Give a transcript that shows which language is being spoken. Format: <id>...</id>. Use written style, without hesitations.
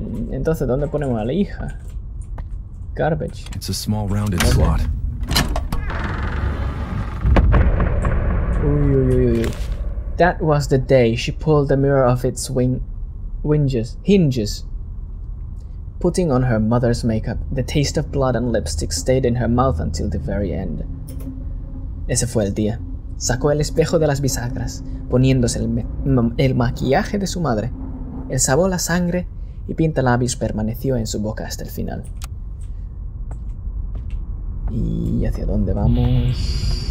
<es>Entonces ¿dónde ponemos a la hija?</es> <en>Garbage. It's a small rounded okay. Slot. Uy, uy, uy, uy. That was the day she pulled the mirror off its hinges. Putting on her mother's makeup, the taste of blood and lipstick stayed in her mouth until the very end.</en> <es>Ese fue el día. Sacó el espejo de las bisagras, poniéndose el maquillaje de su madre. El sabor la sangre y pintalabios permaneció en su boca hasta el final. ¿Y hacia dónde vamos?</es>